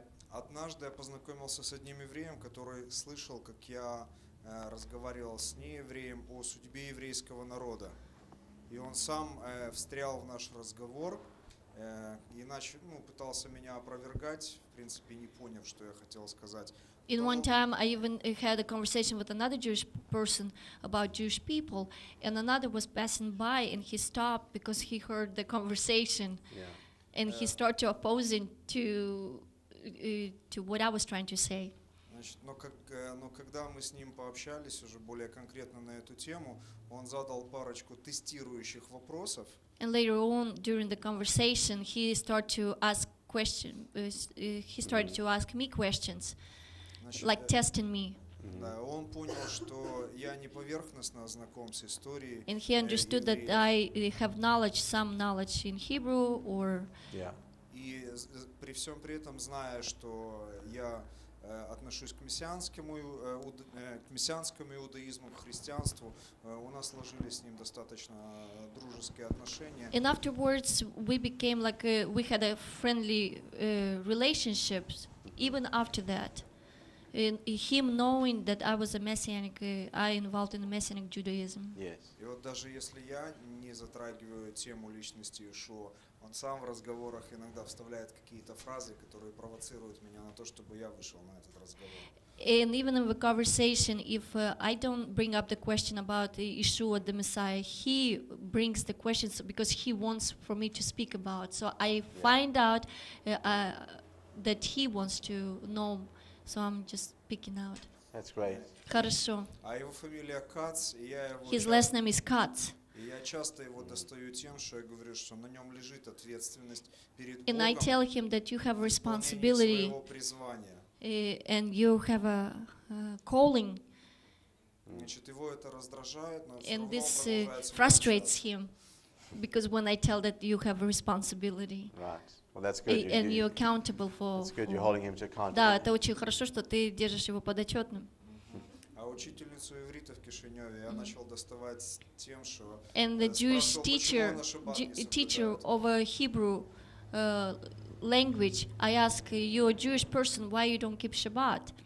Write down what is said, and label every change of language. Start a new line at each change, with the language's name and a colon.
Russian: Однажды я познакомился с одним евреем, который слышал, как я разговаривал с неевреем о судьбе еврейского народа. И он сам встрял в наш разговор. Иначе, ну, пытался меня опровергать, в принципе, не поняв, что я хотел сказать.
English: In one time I even had a conversation with another Jewish person about Jewish people, and another was passing by and he stopped because he heard the conversation. Yeah. And he started opposing to what I was trying to say.
Russian: Значит, но когда мы с ним пообщались уже более конкретно на эту тему, он задал парочку тестирующих вопросов.
English: And later on, during the conversation, he started to ask questions. He started to ask me questions, like testing me.
Russian: Да, он понял, что я не поверхностно знаком с историей.
English: And he understood that I have knowledge, some knowledge in Hebrew, or.
Russian: И при всем при этом, зная, что я отношусь к мессианскому иудаизму, к христианству, у нас сложились с ним достаточно дружеские отношения.
English: And afterwards we became like we had a friendly relationships even after that. And him knowing that I was a messianic, I involved in messianic Judaism. Yes.
Russian: И вот даже если я не затрагиваю тему личности Иешуа, он сам в разговорах иногда вставляет какие-то фразы, которые провоцируют меня на то, чтобы я вышел на этот разговор.
English: And even in the conversation, if I don't bring up the question about Yeshua, the Messiah, he brings the questions because he wants for me to speak about. So I find out that he wants to know. So I'm just speaking out. That's great.
Russian: Хорошо. А его фамилия Кац, и я его.
English: His last name is Katz.
Russian: И я часто его достаю тем, что я говорю, что на нем лежит ответственность перед Богом.
English: And I tell him that you have responsibility.
Russian: Своего призвания.
English: And you have a calling.
Russian: Значит, его это раздражает, но.
English: And this frustrates him, because when I tell that you have a responsibility. Right. Well, that's good. And you're accountable for. That's good. You're holding him to account.
Russian: Да, это очень хорошо, что ты держишь его под отчетным. А учительницу иврита в Кишиневе я начал доставать тем, что.
English: And the Jewish teacher of a Hebrew language, I ask you, a Jewish person, why you don't keep Shabbat?